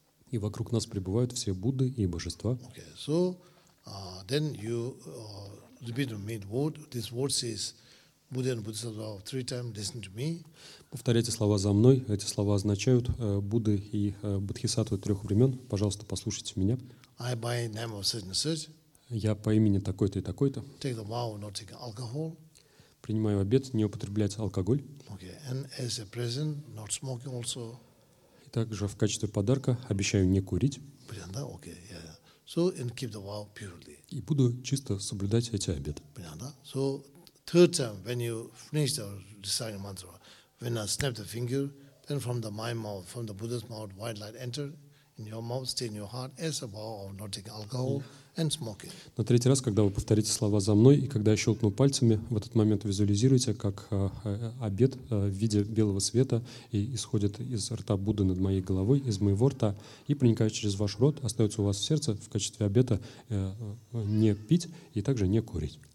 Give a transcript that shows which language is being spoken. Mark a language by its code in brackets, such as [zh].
[ru] И вокруг нас пребывают все Будды и божества. [en] Okay, so then you repeat to me the word. This word says Buddha and Bodhisattva three times. Listen to me. [ru] Повторяйте слова за мной. Эти слова означают Будды и Бодхисаттвы трех времен. Пожалуйста, послушайте меня. [en] I by name of certain such. [ru] Я по имени такой-то и такой-то. [en] Take the vow not taking alcohol. [ru] Принимаю обет не употреблять алкоголь. [en] Okay, and as a present, not smoking also. [ru] Также в качестве подарка обещаю не курить. [en] Okay, yeah. So, and keep the vow purely. [ru] И буду чисто соблюдать эти обеты. [en] So, third time, when you finish the reciting mantra, when I snap the finger, then from the my mouth, from the Buddha's mouth, white light enter in your mouth, stay in your heart, as a vow of not taking alcohol and smoking. [ru] На третий раз, когда вы повторите слова за мной, и когда я щелкну пальцами, в этот момент визуализируйте, как обет в виде белого света и исходит из рта Будды над моей головой, из моего рта, и проникает через ваш рот, остается у вас в сердце в качестве обета не пить и также не курить.